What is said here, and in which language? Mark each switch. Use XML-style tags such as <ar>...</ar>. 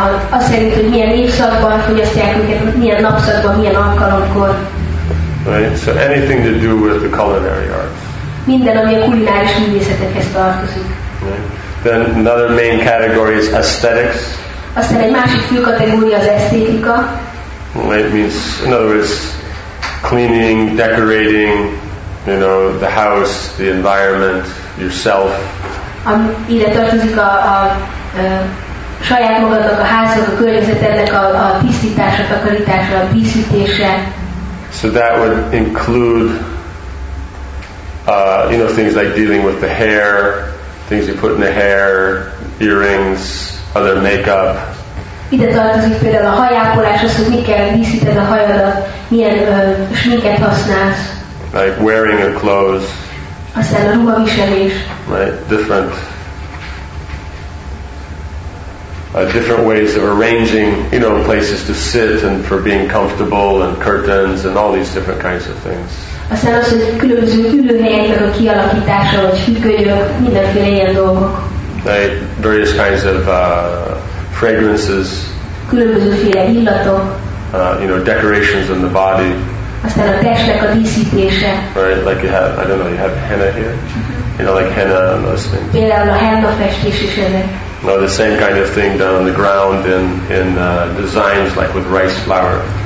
<hu>Azt szerint, hogy milyen évszakban fogyasztják őket, milyen napszakban, milyen alkalomkor.</hu> <en>Right, so anything to do with the culinary arts.</en> <hu>Minden, ami a kulináris művészetekhez tartozik.</hu> <en>Then another main category is aesthetics.</en> <hu>Aztán egy másik fő kategória az esztétika.</hu> <en>It means, in other words, cleaning, decorating, you know, the house, the environment, yourself.</en> <hu>Ide tartozik a saját magadnak, a háznak, a környezetednek a tisztítása, takarítása, a díszítése.</hu> <en>So that would include, you know, things like dealing with the hair, things you put in the hair, earrings, other makeup.</en> <hu>Ide tartozik például a hajápolás, az, hogy mit kell díszíted a hajadat, milyen sminket használsz.</hu> <en>Like wearing a clothes.</en> <hu>Aztán a ruhaviselés.</hu> <en>Right, different. Different ways of arranging, you know, places to sit and for being comfortable and curtains and all these different kinds of things.</en> <hu>Aztán az, hogy különböző ülőhelyeknek a kialakítása, vagy fütykölyök, mindenféle ilyen dolgok.</hu> <en>Right, various kinds of fragrances.</en> <hu>Különbözőféle illatok.</hu> <en>You know, decorations in the body.</en> <hu>Aztán a testnek a díszítése.</hu> <en>Right, like you have, I don't know, you have henna here? Mm-hmm. You know, like henna and those things.</en> <hu>Például a henna festés is ennek.</hu> <en>No, the same kind of thing done on the ground in designs like with rice flour.</en>